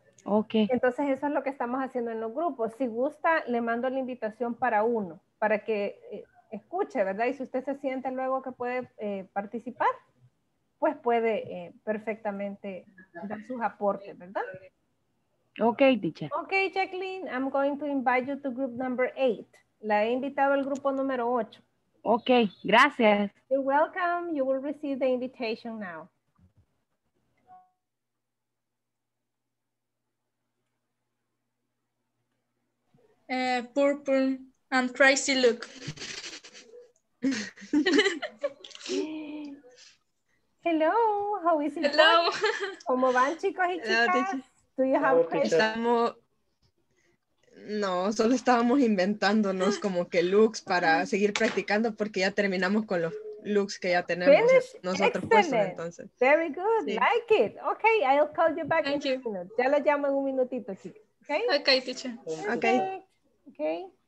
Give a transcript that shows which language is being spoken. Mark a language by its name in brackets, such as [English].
[English] Ok. [Spanish] Entonces eso es lo que estamos haciendo en los grupos. Si gusta, le mando la invitación para uno, para que escuche, ¿verdad? Y si usted se siente luego que puede participar, pues puede perfectamente dar sus aportes, ¿verdad? [English] Okay, teacher. Okay, Jacqueline, I'm going to invite you to group number 8. [Spanish] La he invitado al grupo número 8. Okay, gracias. [English] You're welcome. You will receive the invitation now. Purple and crazy look. Hello, how is it? Hello. [Spanish] ¿Cómo van, chicos y chicas? [English] Hello, teacher. [Spanish] No, solo estábamos inventándonos como que looks para seguir practicando porque ya terminamos con los looks que ya tenemos [English] finish [Spanish] nosotros [English] excellent. [Spanish] Puestos entonces. [English] Very good, [Spanish] sí. [English] Like it. Okay, I'll call you back in a minute. [Spanish] Ya lo llamo en un minutito, sí. Okay? [English] Okay, teacher. Okay. Okay.